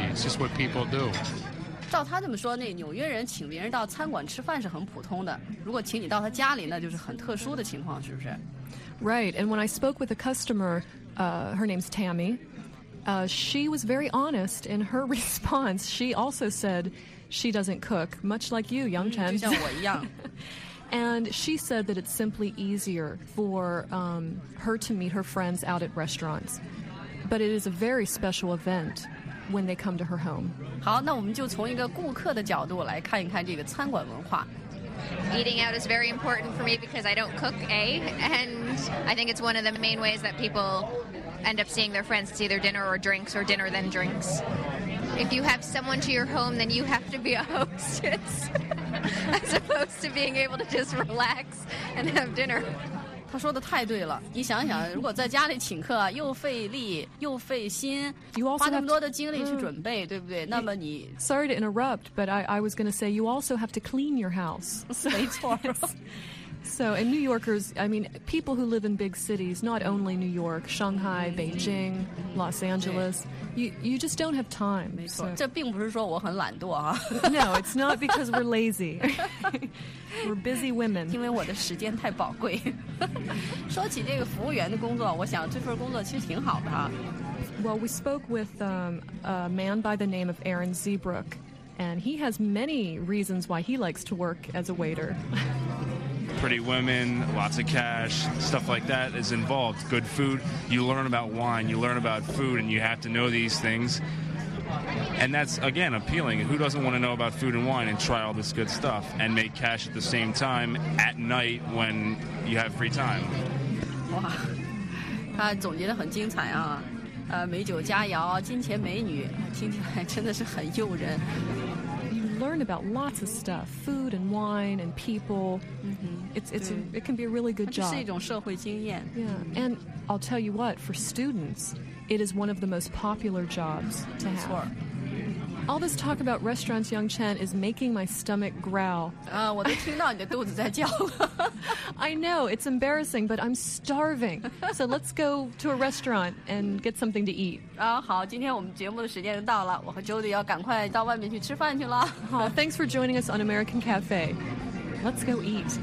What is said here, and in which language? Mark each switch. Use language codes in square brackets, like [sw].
[en] It's just what people do. [zh] 照他这么说，那纽约人请别人到餐馆吃饭是很普通的，如果请你到他家里，那就是很特殊的情况，是不是？ [en] Right. And when I spoke with a customer, her name's Tammy, she was very honest in her response. She also said she doesn't cook, much like you, Yongchen. [zh] 就像我一样。 [en] And she said that it's simply easier for her to meet her friends out at restaurants. But it is a very special event. When they come to her home. [zh] 好，那我们就从一个顾客的角度来看一看这个餐馆文化。 [en] Eating out is very important for me because I don't cook, and I think it's one of the main ways that people end up seeing their friends. It's either dinner or drinks, or dinner then drinks. If you have someone to your home, then you have to be a hostess, as opposed to being able to just relax and have dinner. [zh] 他说的太对了，你想想，如果在家里请客，又费力又费心，花那么多的精力去准备，对不对？那么你 [en] Sorry to interrupt, but I was going to say you also have to clean your house. [zh] 没错。 [en] So, and New Yorkers, I mean, people who live in big cities, not only New York, Shanghai, Beijing, Los Angeles, you just don't have time. [zh] 没错，这并不是说我很懒惰啊。 [en] No, it's not because we're lazy. We're busy women. [zh] 因为我的时间太宝贵。说起这个服务员的工作，我想这份工作其实挺好的啊。 [en] Well, we spoke with a man by the name of Aaron Zeebrook, and he has many reasons why he likes to work as a waiter. Pretty women, lots of cash, stuff like that is involved. Good food. You learn about wine, you learn about food, and you have to know these things. And that's, again, appealing. Who doesn't want to know about food and wine and try all this good stuff and make cash at the same time at night when you have free time? [zh] Wow, 他总结得很精彩啊。美酒佳肴，金钱美女，听起来真的是很诱人。 [en] Learn about lots of stuff, food and wine and people. It can be a really good job. [zh] 是一种社会经验。 [en] Yeah. And I'll tell you what, for students, it is one of the most popular jobs to have. [zh] 没错。 [en] All this talk about restaurants, Yongchen, is making my stomach growl. [zh] 我都听到你的肚子在叫了。 [en] I know, it's embarrassing, but I'm starving. So let's go to a restaurant and get something to eat. [zh] 好，今天我们节目的时间到了，我和 Jody 要赶快到外面去吃饭去了。 [en] 好，thanks for joining us on American Cafe. Let's go eat.